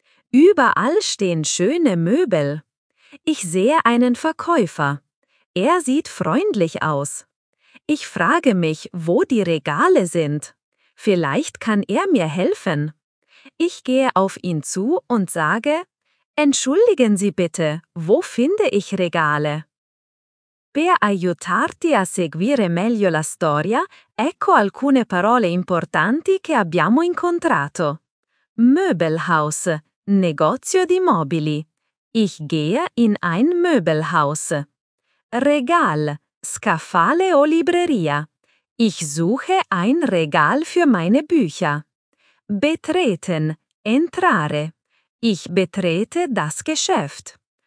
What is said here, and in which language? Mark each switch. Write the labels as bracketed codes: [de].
[de] Überall stehen schöne Möbel. Ich sehe einen Verkäufer. Er sieht freundlich aus. Ich frage mich, wo die Regale sind. Vielleicht kann er mir helfen. Ich gehe auf ihn zu und sage: Entschuldigen Sie bitte, wo finde ich Regale? [it] Per aiutarti a seguire meglio la storia, ecco alcune parole importanti che abbiamo incontrato. Möbelhaus, negozio di mobili. [de] Ich gehe in ein Möbelhaus. Regal, [it] scaffale o libreria. [de] Ich suche ein Regal für meine Bücher. Betreten, entrare. Ich betrete das Geschäft.